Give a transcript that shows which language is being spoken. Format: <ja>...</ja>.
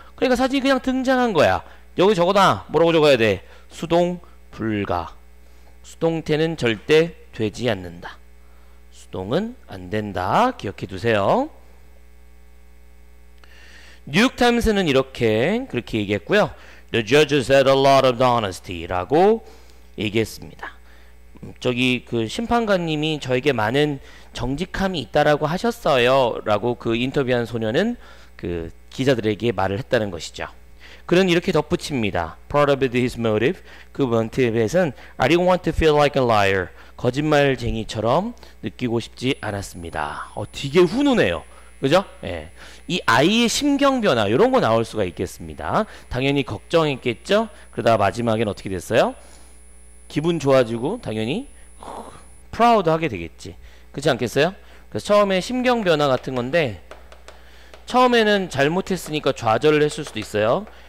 <ko>그러니까 사진이 그냥 등장한 거야. 여기 적어놔, 뭐라고 적어야 돼? 수동 불가. 수동태는 절대 되지 않는다. 수동은 안 된다. 기억해 두세요. 뉴욕타임스는 이렇게 그렇게 얘기했고요.</ko> <en>The judges had a lot of honesty</en> <ko>라고 얘기했습니다. 저기 그 심판관님이 저에게 많은 정직함이 있다라고 하셨어요 라고 그 인터뷰한 소녀는 그 기자들에게 말을 했다는 것이죠. 그는 이렇게 덧붙입니다.</ko> <en>Part of his motive,</en> <ko>그 motive에선</ko> <en>I didn't want to feel like a liar,</en> <ko>거짓말쟁이처럼 느끼고 싶지 않았습니다. 되게 훈훈해요. 그죠? 예. 이 아이의 심경 변화 이런 거 나올 수가 있겠습니다. 당연히 걱정했겠죠. 그러다 마지막엔 어떻게 됐어요? 기분 좋아지고 당연히 프라우드 하게 되겠지. 그렇지 않겠어요? 그래서 처음에 심경 변화 같은 건데 처음에는 잘못했으니까 좌절을 했을 수도 있어요.</ko>